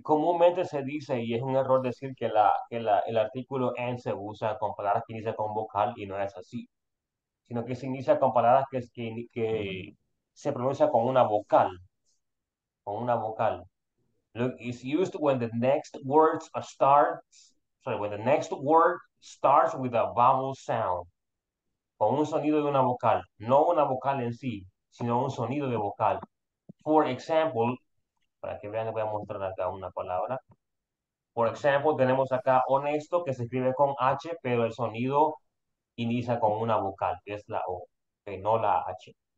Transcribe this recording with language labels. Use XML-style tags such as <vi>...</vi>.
<es>Comúnmente se dice, y es un error decir que el artículo en se usa con palabras que inician con vocal y no es así, sino que se inicia con palabras que se pronuncia con una vocal. Con una vocal.</es> <en>Look, it's used when the next word starts with a vowel sound.</en> <es>Con un sonido de una vocal. No una vocal en sí, sino un sonido de vocal.</es> <en>For example,</en> <es>para que vean, voy a mostrar acá una palabra.</es> <en>For example,</en> <es>tenemos acá honesto, que se escribe con H, pero el sonido inicia con una vocal, que es la O, okay, no la H.</es>